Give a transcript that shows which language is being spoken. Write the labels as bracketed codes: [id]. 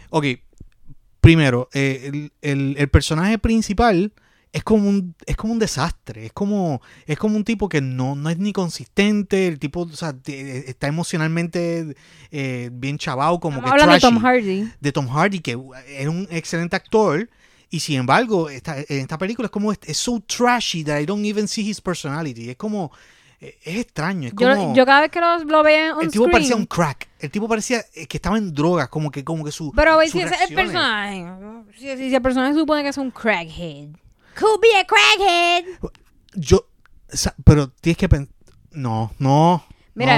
[es] Ok, primero, el personaje principal es como un desastre. Es como un tipo que no es ni consistente. El tipo, o sea, está emocionalmente bien chavao, como que trashy. De Tom Hardy. De Tom Hardy, que es un excelente actor. Y sin embargo, en esta película es como... [en] Es so trashy that I don't even see his personality. [es] Es como... Es extraño, es como... Yo cada vez que lo veo en un... El tipo [en] screen, [es] parecía un crack. El tipo parecía que estaba en drogas, como que su... Pero ¿ves? Si el personaje... Si el personaje supone que es un crackhead. [en] Could be a crackhead. [es] Yo... O sea, pero tienes que pensar... No. Mira,